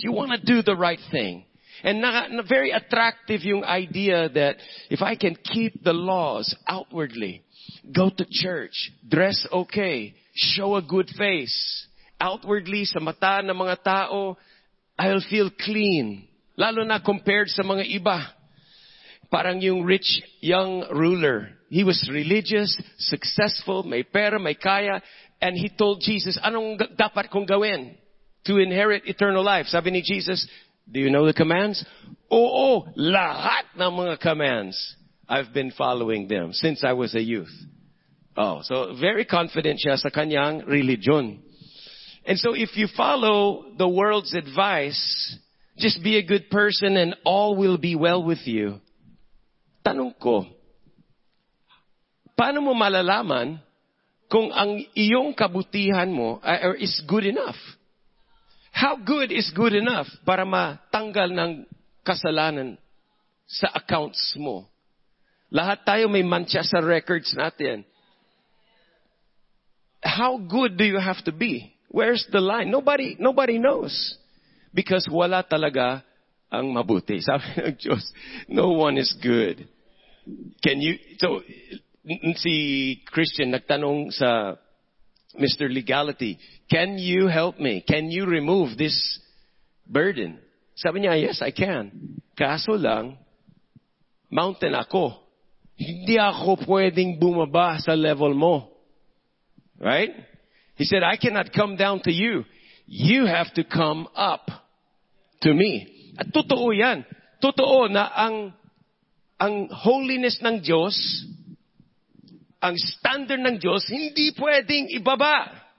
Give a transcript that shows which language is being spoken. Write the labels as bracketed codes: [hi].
[en] You want to do the right thing. And na very attractive yung idea that if I can keep the laws outwardly, go to church, dress okay, show a good face, outwardly [tl] sa mata ng mga tao, [en] I'll feel clean. [tl] Lalo na compared sa mga iba. Parang yung rich young ruler. [en] He was religious, successful, [tl] may pera, may kaya. [en] And he told Jesus, [tl] anong dapat kong gawin [en] to inherit eternal life? [tl] Sabi ni Jesus, [en] do you know the commands? [tl] Oo, lahat ng mga commands. [en] I've been following them since I was a youth. Oh, so very confident [tl] siya sa kanyang [en] religion. And so if you follow the world's advice, just be a good person and all will be well with you. [tl] Tanong ko, paano mo malalaman kung ang iyong kabutihan mo [en] is good enough? How good is good enough [tl] para matanggal ng kasalanan sa accounts mo? Lahat tayo may mancha sa records natin. [en] How good do you have to be? Where's the line? Nobody knows. [tl] Because wala talaga ang mabuti. Sabi ng Diyos, [en] no one is good. Can you, so, [tl] si Christian nagtanong sa [en] Mr. Legality, can you help me? Can you remove this burden? [tl] Sabi niya, [en] yes, I can. [tl] Kaso lang, mountain ako. Hindi ako pwedeng bumaba sa level mo. [en] Right? He said, I cannot come down to you. You have to come up to me. [tl] At totoo yan. Totoo na ang holiness ng Diyos, ang standard ng Diyos, hindi pwedeng ibaba.